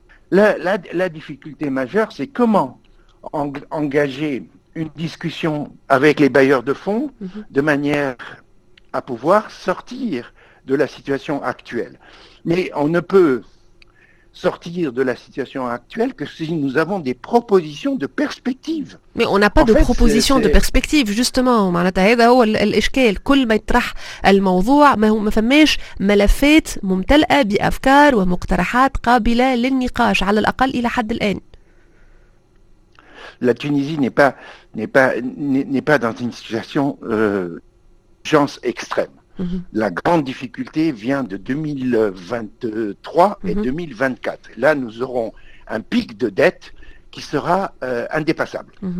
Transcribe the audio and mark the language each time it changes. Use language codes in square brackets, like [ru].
[fr] La difficulté majeure, c'est comment engager une discussion avec les bailleurs de fonds de manière à pouvoir sortir de la situation actuelle. Mais on ne peut sortir de la situation actuelle que si nous avons des propositions de perspective. Mais on n'a pas de propositions de perspective, justement. [ar] معناتها هذا هو الاشكال. كل ما يطرح الموضوع ما هو ما فماش ملفات ممتلئه بافكار ومقترحات قابله للنقاش على الاقل الى حد الان. [fr] La Tunisie n'est pas dans une situation d'urgence extrême. La grande difficulté vient de 2023 et 2024. Là, nous aurons un pic de dette qui sera indépassable.